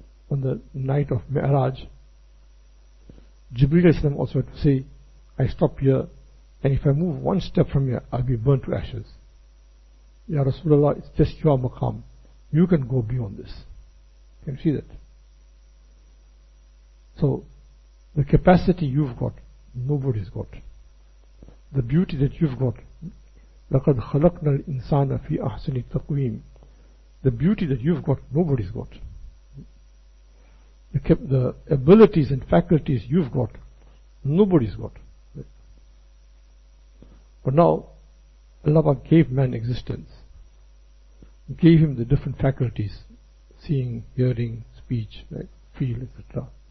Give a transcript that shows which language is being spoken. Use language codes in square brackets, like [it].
[en] On the night of Mi'raj, Jibril Islam also had to say, I stop here, and if I move one step from here, I'll be burnt to ashes. Ya Rasulullah, it's just your maqam. You can go beyond this. Can you see that? So, the capacity you've got, nobody's got. The beauty that you've got, [ar] لَقَدْ خَلَقْنَا الْإِنسَانَ فِي أَحْسَنِ التَّقْوِيمِ. [en] The beauty that you've got, nobody's got. The abilities and faculties you've got, nobody's got. But now, Allah gave man existence. Gave him the different faculties, seeing, hearing, speech, right, feel, etc.